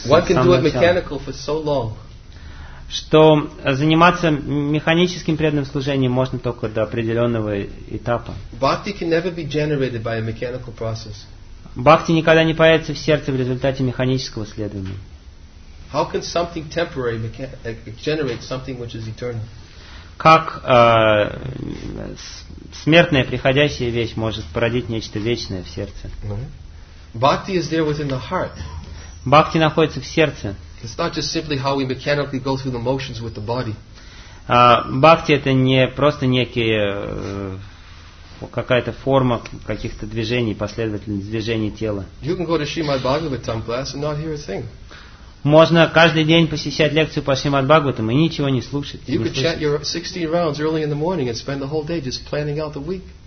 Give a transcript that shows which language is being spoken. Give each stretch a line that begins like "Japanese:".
English: One can do it mechanical for so long.
Russian: Что заниматься механическим преданным служением можно только до определенного этапа.
English: Bhakti can never be generated by a mechanical process.
Russian: Бхакти никогда не появится в сердце в результате механического следования.
English: How can something temporary generate something which is eternal?
Russian: Как смертная приходящая вещь может породить нечто вечное в сердце?
English: Bhakti is there within the heart.
Russian: Бхакти находится в сердце.
English: It's not just simply how we mechanically go through the motions with the body.
Russian: Бхакти это не просто некие какая-то форма каких-то движений, последовательных движений тела.
English: You can go to Srimad Bhagavatam class and not hear a thing.
Russian: Можно каждый день посещать лекцию по Шримад Бхагаватам и ничего не слушать.
English: You could chant your 16 rounds early in the morning and spend the whole day just planning out the week.